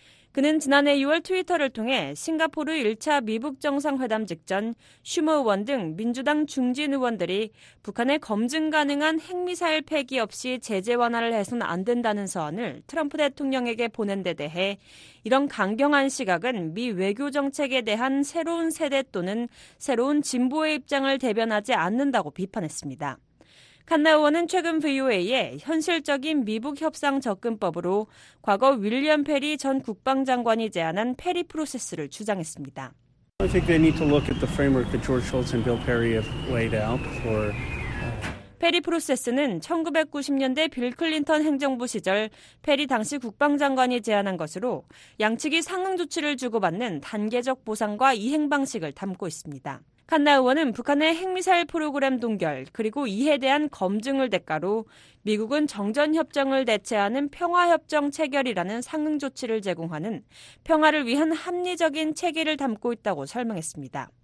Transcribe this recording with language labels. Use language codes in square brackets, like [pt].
[ko] 그는 지난해 6월 트위터를 통해 싱가포르 1차 미북 정상회담 직전 슈머 의원 등 민주당 중진 의원들이 북한의 검증 가능한 핵미사일 폐기 없이 제재 완화를 해선 안 된다는 서한을 트럼프 대통령에게 보낸 데 대해 이런 강경한 시각은 미 외교 정책에 대한 새로운 세대 또는 새로운 진보의 입장을 대변하지 않는다고 비판했습니다. 칸나 의원은 최근 VOA에 현실적인 미북 협상 접근법으로 과거 윌리엄 페리 전 국방장관이 제안한 페리 프로세스를 주장했습니다. [en] I think they need to look at the framework that George Shultz and Bill Perry have laid out for [ko] 페리 프로세스는 1990년대 빌 클린턴 행정부 시절 페리 당시 국방장관이 제안한 것으로 양측이 상응 조치를 주고받는 단계적 보상과 이행 방식을 담고 있습니다. 칸나 의원은 북한의 핵미사일 프로그램 동결 그리고 이에 대한 검증을 대가로 미국은 정전협정을 대체하는 평화협정 체결이라는 상응 조치를 제공하는 평화를 위한 합리적인 체계를 담고 있다고 설명했습니다.